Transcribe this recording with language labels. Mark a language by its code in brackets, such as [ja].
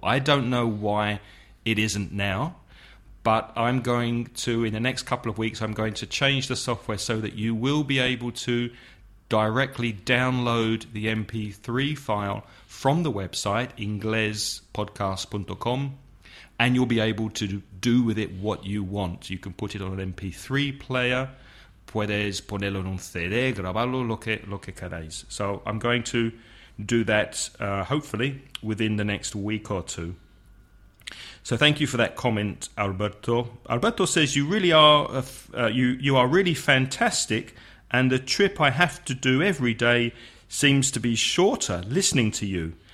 [en] I don't know why it isn't now, but I'm going to, in the next couple of weeks, I'm going to change the software so that you will be able to directly download the MP3 file from the website, inglespodcast.com, and you'll be able to do with it what you want. You can put it on an MP3 player. [es] Puedes ponerlo en un CD, grabarlo, lo que queráis. [en] So I'm going to do that, hopefully, within the next week or two. So thank you for that comment, Alberto. Alberto says, you are really fantastic, and the trip I have to do every day seems to be shorter listening to you.